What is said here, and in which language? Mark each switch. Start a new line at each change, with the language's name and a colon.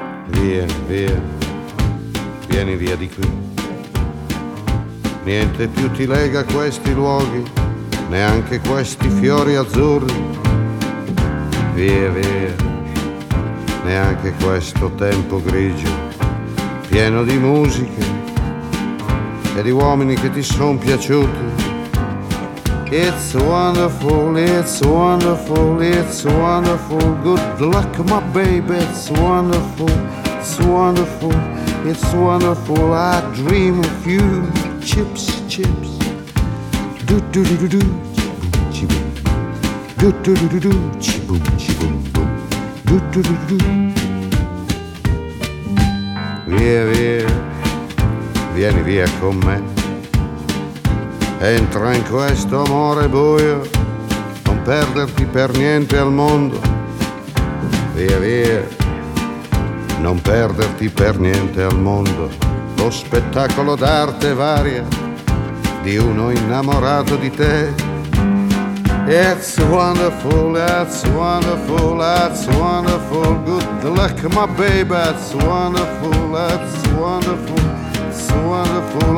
Italian: Vieni via, vieni via di qui. Niente più ti lega a questi luoghi, neanche questi fiori azzurri. Via, via, neanche questo tempo grigio, pieno di musiche e di uomini che ti son piaciuti.
English: It's wonderful, it's wonderful, it's wonderful. Good luck, my baby, it's wonderful, it's wonderful, it's wonderful. I dream of you, chips, chips. Do do do do do, chibum chibum. Do do do do do, chibum chibum boom.
Italian: Do do do do do. Via via, vieni via con me. Entra in questo amore buio, non perderti per niente al mondo. Via via, non perderti per niente al mondo. Lo spettacolo d'arte varia di uno innamorato di te.
English: It's wonderful, that's wonderful, that's wonderful. Good luck, my baby, that's wonderful, that's wonderful, it's wonderful.